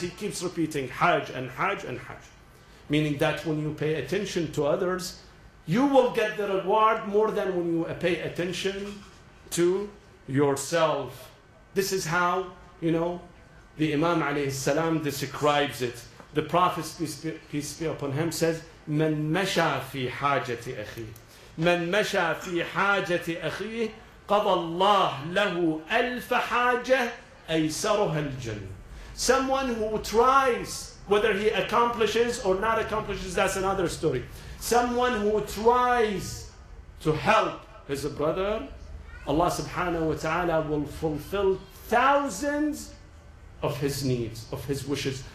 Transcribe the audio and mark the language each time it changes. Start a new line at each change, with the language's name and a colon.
English: He keeps repeating Hajj and Hajj and Hajj. Meaning that when you pay attention to others, you will get the reward more than when you pay attention to yourself. This is how, you know, the Imam alayhi salam describes it. The Prophet, peace be upon him, says,
Arabic: مَنْ مَشَى فِي حَاجَةِ أَخِيهِ مَنْ مَشَى فِي حَاجَةِ أَخِيهِ قَضَى اللَّهُ لَهُ أَلْفَ حَاجَةٍ أَيْسَرُهَا الْجَنَّةِ.
English: Someone who tries, whether he accomplishes or not accomplishes, that's another story. Someone who tries to help his brother, Allah subhanahu wa ta'ala will fulfill thousands of his needs, of his wishes.